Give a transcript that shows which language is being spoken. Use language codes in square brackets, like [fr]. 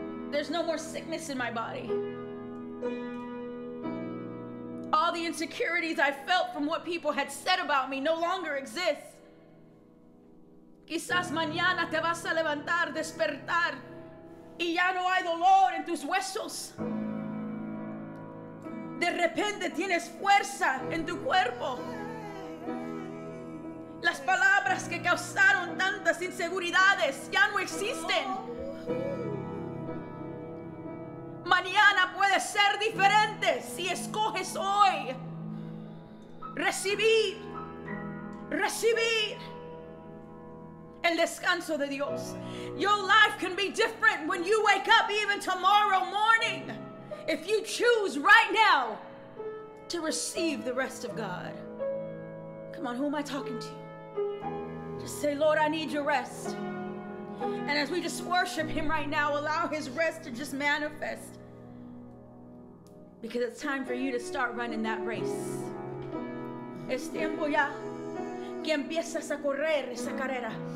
[en] There's no more sickness in my body. All the insecurities I felt from what people had said about me no longer exist. [es] Quizás mañana te vas a levantar, despertar, y ya no hay dolor en tus huesos. De repente tienes fuerza en tu cuerpo. Las palabras que causaron tantas inseguridades ya no existen. Mañana puede ser diferente si escoges hoy recibir, recibir el descanso de Dios. [en] Your life can be different when you wake up even tomorrow morning if you choose right now to receive the rest of God. Come on, who am I talking to? Just say, Lord, I need your rest. And as we just worship him right now, allow his rest to just manifest. Because it's time for you to start running that race. [es] Es tiempo ya que empiezas a correr esa carrera.